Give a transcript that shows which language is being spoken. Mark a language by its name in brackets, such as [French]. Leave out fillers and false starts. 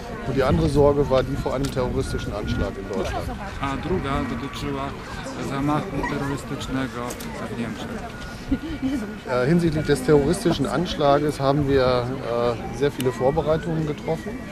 [German] Und die andere Sorge war die vor einem terroristischen Anschlag in Deutschland. [Polish] A druga dotyczyła zamachu terrorystycznego w Niemczech. [German] Hinsichtlich des terroristischen Anschlages haben wir sehr viele Vorbereitungen getroffen.